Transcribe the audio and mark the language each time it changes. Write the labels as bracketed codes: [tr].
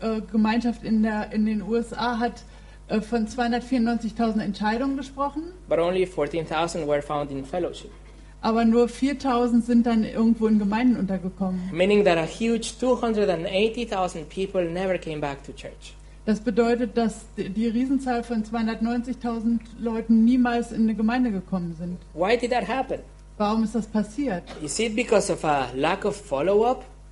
[de] Gemeinschaft in den USA hat von 294,000 Entscheidungen gesprochen. [en] But only 14,000 were found in fellowship. [de] Aber nur 4,000 sind dann irgendwo in Gemeinden untergekommen. [en] Meaning that a huge 280,000 people never came back to church. [de] Das bedeutet, dass die Riesenzahl von 290,000 Leuten niemals in eine Gemeinde gekommen sind. [en] Why did that happen? [de] Warum ist das passiert? [en] Is it because of a lack of follow-up?